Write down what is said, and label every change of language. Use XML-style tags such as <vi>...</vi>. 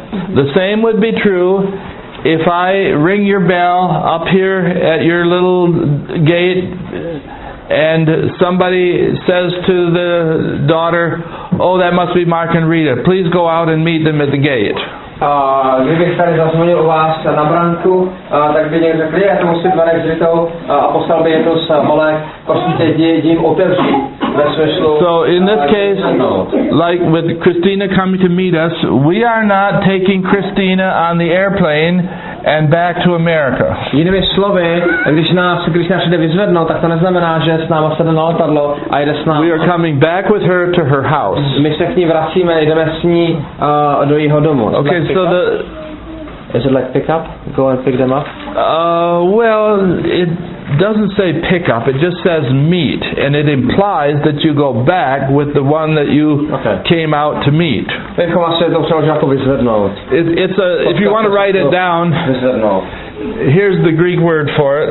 <en>The same would be true if I ring your bell up here at your little gate, and somebody says to the daughter, oh, that must be Mark and Rita. Please go out and meet them at the gate.</en> <cs>Kdybych tady zazvonil u vás na branku, tak by někdo řekl, já to musím Marek s Ritou a poslal by je to s Molek, prosím tě, jim otevří.</cs> <en>So in this case, like with Christina coming to meet us, we are not taking Christina on the airplane and back to America.</en> <cs>Jinými slovy, když nás jde vyzvednout, tak to neznamená, že s náma sedne na letadlo a jde s náma.</cs> <en>We are coming back with her to her house.</en> <cs>My se k ní vracíme, jdeme s ní do jejího domu.</cs> <en>Okay, so the is it like pick up? Go and pick them up? Well, it doesn't say pick up, it just says meet, and it implies that you go back with the one that you came out to meet. If you want to write it down, here's the Greek word for it.</en>